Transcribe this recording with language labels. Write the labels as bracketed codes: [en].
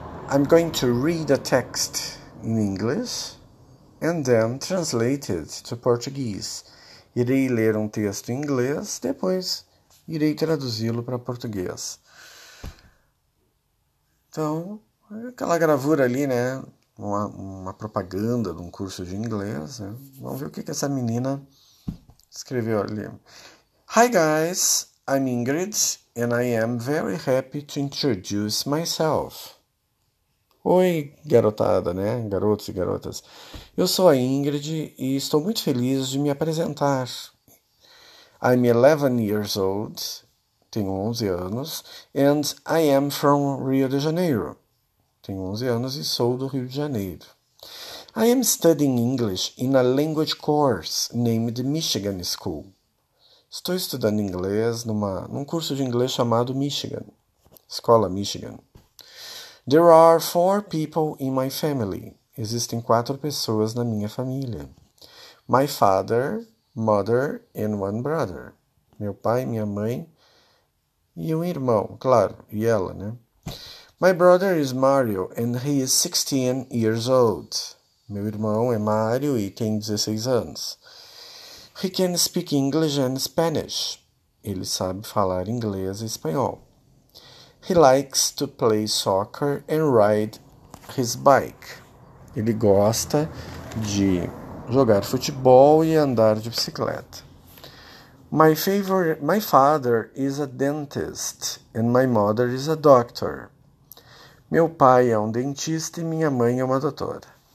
[en] I'm going to read a text in English and then translate it to Portuguese. [pt] Irei ler um texto em inglês, depois irei traduzi-lo para português. Então, aquela gravura ali, né? Uma propaganda de um curso de inglês, né? Vamos ver o que que essa menina escreveu ali. [en] Hi guys, I'm Ingrid and I am very happy to introduce myself. [pt] Oi, garotada, né? Garotos e garotas. Eu sou a Ingrid e estou muito feliz de me apresentar. [en] I'm 11 years old, [pt] tenho 11 anos, [en] and I am from Rio de Janeiro. [pt] Tenho 11 anos e sou do Rio de Janeiro. [en] I am studying English in a language course named Michigan School. [pt] Estou estudando inglês num curso de inglês chamado Michigan, Escola Michigan. [en] There are four people in my family. [pt] Existem quatro pessoas na minha família. [en] My father, mother and one brother. [pt] Meu pai, minha mãe e um irmão, claro, e ela, né? [en] My brother is Mario and he is 16 years old. [pt] Meu irmão é Mario e tem 16 anos. [en] He can speak English and Spanish. [pt] Ele sabe falar inglês e espanhol. [en] He likes to play soccer and ride his bike. [pt] Ele gosta de jogar futebol e andar de bicicleta. [en] My father is a dentist and my mother is a doctor. [pt] Meu pai é um dentista e minha mãe é uma doutora.